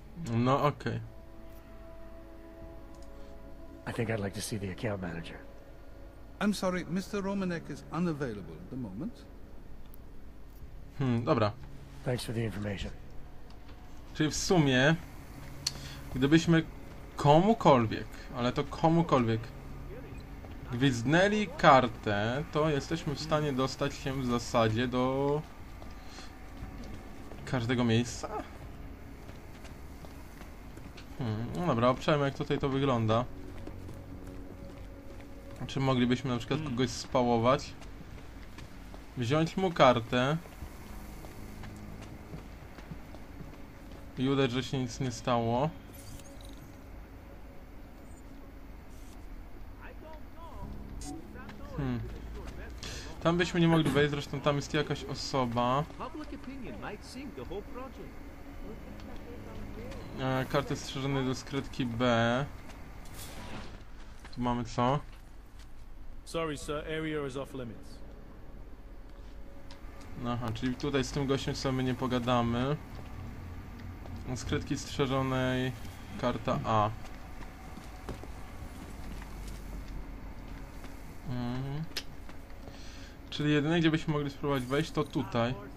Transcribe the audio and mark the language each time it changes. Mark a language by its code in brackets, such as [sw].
[en] No, okay. I think I'd like to see the account manager. I'm sorry, Mr. Romanek is unavailable at the moment. [pl] Dobra. [en] Thanks for the information. [pl] Czyli w sumie, gdybyśmy komukolwiek, ale to komukolwiek, gwizdnęli kartę, to jesteśmy w stanie dostać się w zasadzie do każdego miejsca? No dobra, obczajmy jak tutaj to wygląda. Czy moglibyśmy na przykład kogoś spałować? Wziąć mu kartę i udać, że się nic nie stało. Tam byśmy nie mogli wejść, zresztą tam jest jakaś osoba. Karty strzeżone do skrytki B. Tu mamy co? [en] Sorry, sir, area is off limits. [pl] Aha, czyli tutaj z tym gościem sobie nie pogadamy. Do skrytki strzeżonej karta A. Czyli jedyne, gdzie byśmy mogli spróbować wejść, to tutaj.